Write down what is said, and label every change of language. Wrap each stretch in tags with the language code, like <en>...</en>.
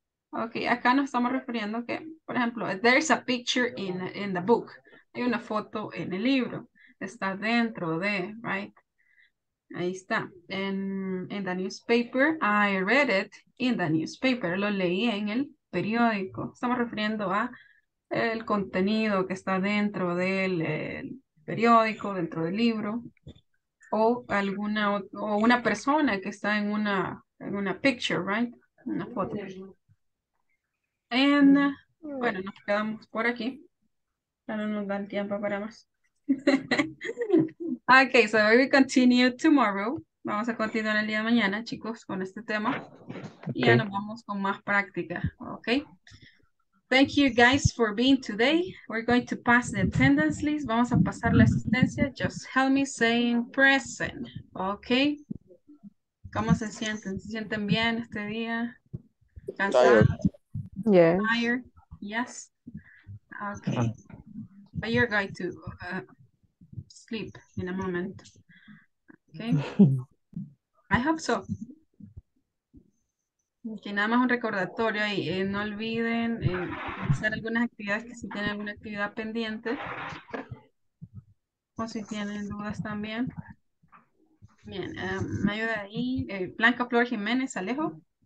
<es>Okay, acá nos estamos refiriendo que, por ejemplo,</es> <en>there's a picture in the book.</en> <es>Hay una foto en el libro. Está dentro de, right? Ahí está.</es> <en>In the newspaper, I read it in the newspaper.</en> <es>Lo leí en el periódico. Estamos refiriendo a el contenido que está dentro del periódico, dentro del libro, o alguna o una persona que está en una picture, right? Una foto. And, bueno, nos quedamos por aquí. Ya no nos dan tiempo para más.</es> <en>Okay, so we continue tomorrow.</en> <es>Vamos a continuar el día de mañana, chicos, con este tema. Okay. Y ya nos vamos con más práctica, okay?</es> <en>Thank you guys for being today. We're going to pass the attendance list.</en> <es>Vamos a pasar la asistencia.</es> <en>Just help me saying present.</en> <es>Okay. ¿Cómo se sienten? ¿Se sienten bien este día? ¿Cansados?</es> <en>Yeah. Tired? Yes. Okay. But you're going to sleep in a moment. Okay. I hope so.</en> <es>Que nada más un recordatorio y no olviden hacer algunas actividades, que si tienen alguna actividad pendiente o si tienen dudas también. Bien, me ayuda ahí Blanca Flor Jiménez Alejo.</es>